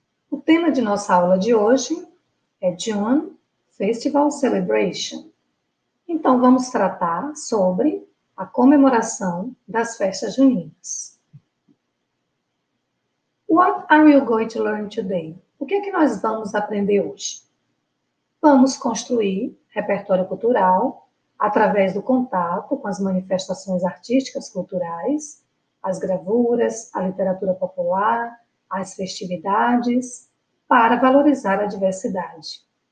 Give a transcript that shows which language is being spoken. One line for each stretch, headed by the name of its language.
Portuguese: O tema de nossa aula de hoje é June Festival Celebration. Então, vamos tratar sobre a comemoração das festas juninas.
English: What are you going to learn today?
Portuguese: O que é que nós vamos aprender hoje? Vamos construir repertório cultural através do contato com as manifestações artísticas culturais, as gravuras, a literatura popular, as festividades, para valorizar a diversidade.